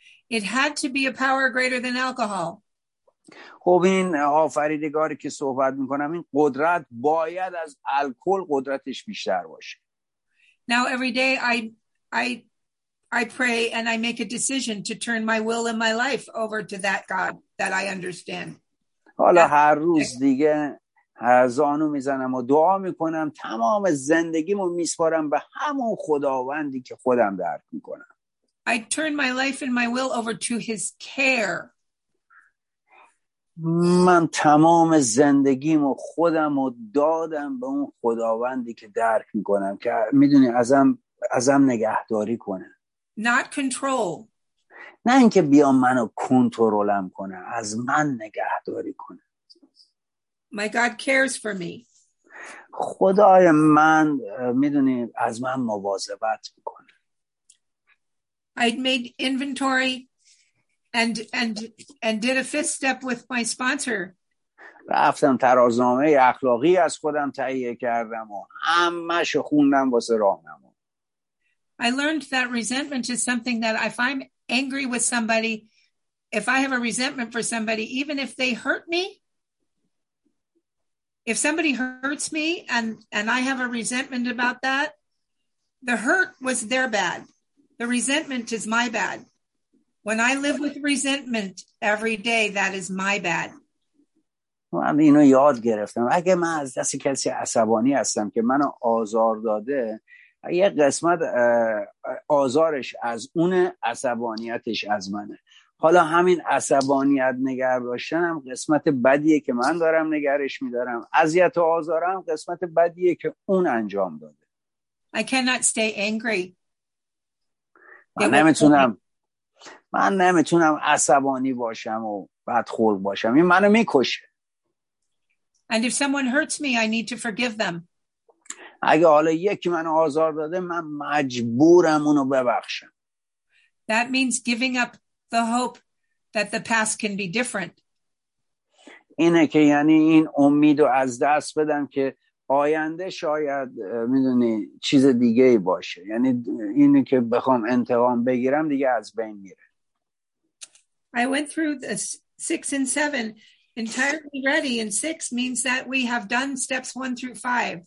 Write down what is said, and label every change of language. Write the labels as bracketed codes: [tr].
[en] It had to be a power greater than alcohol. [fa] خب این آفریدگاری که صحبت میکنم این قدرت باید از الکل قدرتش بیشتر باشه. [en] Now every day I pray and I make a decision to turn my will and my life over to that God that I understand. [fa] حالا هر روز دیگه زانو میزنم و دعا میکنم تمام زندگیمو میسپارم به همون خداوندی که خودم درک میکنم. [en] I turn my life and my will over to his care. [fa] من تمام زندگیمو خودمو دادم به اون خداوندی که درک میکنم که میدونی ازم نگهداری کنه. [en] Not control. [fa] نه اینکه بیا منو کنترلم کنه از من نگهداری کنه. [en] My God cares for me. [fa] خدای من میدونی از من مواظبت میکنه. [en] I'd made inventory and did a fifth step with my sponsor. [fa] رفتم ترازنامه اخلاقی از خودم تهیه کردم و همه‌شو خوندم واسه راهنما. [en] I learned that resentment is something that if I'm angry with somebody, if I have a resentment for somebody, even if they hurt me, if somebody hurts me and I have a resentment about that, the hurt was their bad. The resentment is my bad. When I live with resentment every day, that is my bad. [fa] من اینو یاد گرفتم. اگه من از دست کسی عصبانی هستم که منو آزار داده، یه قسمت آزارش از اونه، عصبانیتش از منه. حالا همین عصبانیت نگر داشتنم قسمت بدیه که من دارم نگرش میدارم. اذیت و آزارم قسمت بدیه که اون انجام داده. [en] I cannot stay angry. [fa] من نمیتونم عصبانی باشم و بدخلق باشم. این منو میکشه. [en] And if someone hurts me, I need to forgive them. [fa] اگه حالا یکی منو آزار داده، من مجبورم اونو ببخشم. [en] That means giving up the hope that the past can be different. [fa] اینه که یعنی این امیدو از دست بدم که آینده شاید میدونی چیز دیگه ای باشه. یعنی اینه که بخوام انتقام بگیرم دیگه از بین میره. [en] I went through the 6 and 7. Entirely ready in 6 means that we have done steps 1 through 5.